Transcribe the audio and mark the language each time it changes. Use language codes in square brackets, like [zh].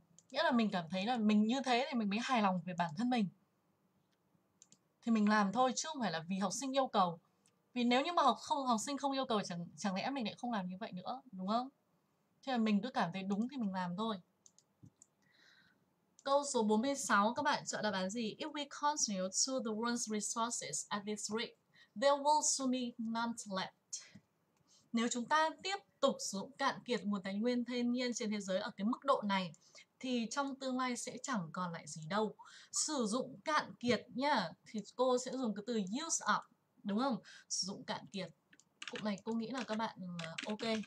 [vi] Nghĩa là mình cảm thấy là mình như thế thì mình mới hài lòng về bản thân mình. Thì mình làm thôi chứ không phải là vì học sinh yêu cầu. Vì nếu như mà học sinh không yêu cầu chẳng chẳng lẽ mình lại không làm như vậy nữa, đúng không? Thế là mình cứ cảm thấy đúng thì mình làm thôi. Câu số 46 các bạn chọn đáp án gì? [en] If we continue to the world's resources at this rate, there will soon be none left. [vi] Nếu chúng ta tiếp tục sử dụng cạn kiệt nguồn tài nguyên thiên nhiên trên thế giới ở cái mức độ này thì trong tương lai sẽ chẳng còn lại gì đâu. Sử dụng cạn kiệt nhá, thì cô sẽ dùng cái từ use up, đúng không? Sử dụng cạn kiệt. Cụm này cô nghĩ là các bạn ok.